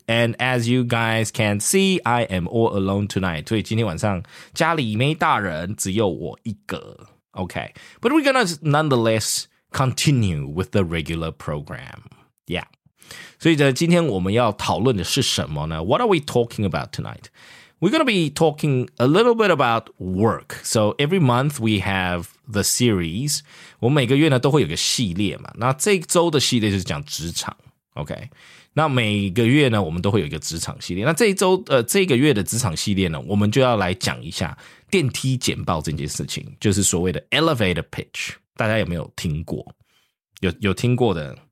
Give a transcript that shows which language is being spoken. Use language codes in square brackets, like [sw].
[en] And as you guys can see, I am all alone tonight. [zh] 所以今天晚上家里没大人，只有我一个。 [en] Okay, but we're gonna nonetheless continue with the regular program. Yeah. [zh] 所以今天我们要讨论的是什么呢? [en] What are we talking about tonight? We're going to be talking a little bit about work. So every month we have the series. [zh] 我每个月呢都会有个系列嘛。那这周的系列就是讲职场。 [en] OK? [zh] 那每个月呢我们都会有一个职场系列。那这一周这个月的职场系列呢我们就要来讲一下电梯简报这件事情。就是所谓的 elevator pitch。大家有没有听过?有听过的。